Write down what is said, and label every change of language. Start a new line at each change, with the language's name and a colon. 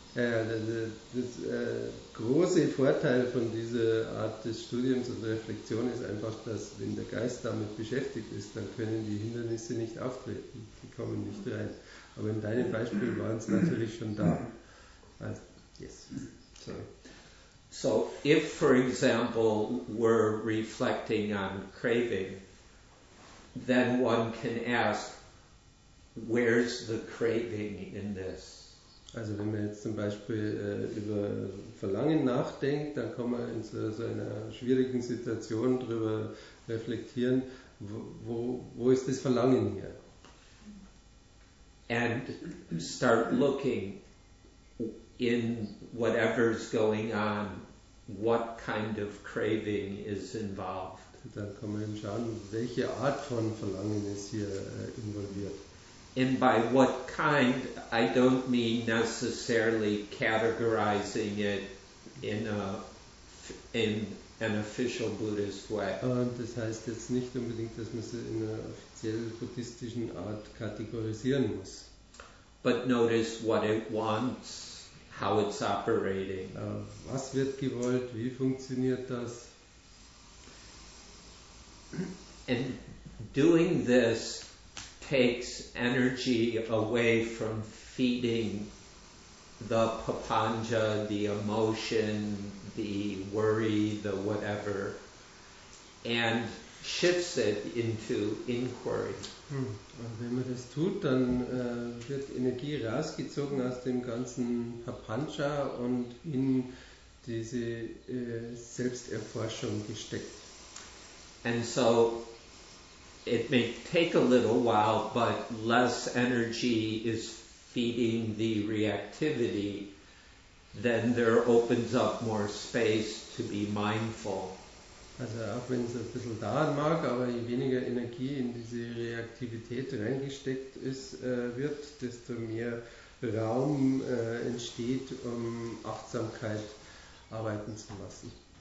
German: Das große Vorteil von dieser Art des Studiums und Reflexion ist einfach, dass wenn der Geist damit beschäftigt ist, dann können die Hindernisse nicht auftreten, die kommen nicht rein. Aber in deinem Beispiel waren es natürlich schon da.
English: Also, yes. Sorry. So, if for example we're reflecting on craving, then one can ask, where's the craving in this?
German: Also wenn man jetzt zum Beispiel über Verlangen nachdenkt, dann kann man in so einer schwierigen Situation darüber reflektieren, wo ist das Verlangen hier?
English: And start looking in whatever's going on, what kind of craving is involved.
German: Dann kann man eben schauen, welche Art von Verlangen ist hier involviert.
English: And by what kind, I don't mean necessarily categorizing it in an official Buddhist way.
German: Das heißt jetzt nicht unbedingt, dass man es in einer offiziell buddhistischen Art kategorisieren muss.
English: But notice what it wants, how it's operating.
German: Was wird gewollt, wie funktioniert das?
English: And doing this takes energy away from feeding the papanja, the emotion, the worry, the whatever, and shifts it into inquiry.
German: Und wenn man das tut, dann wird Energie rausgezogen aus dem ganzen Papanja und in diese Selbsterforschung gesteckt.
English: And so it may take a little while, but less energy is feeding the reactivity, then there opens up more space to be mindful.
German: Also auch wenn es ein bisschen dauern mag, aber je weniger Energie in diese Reaktivität reingesteckt ist, wird, desto mehr Raum entsteht, um Achtsamkeit arbeiten zu lassen.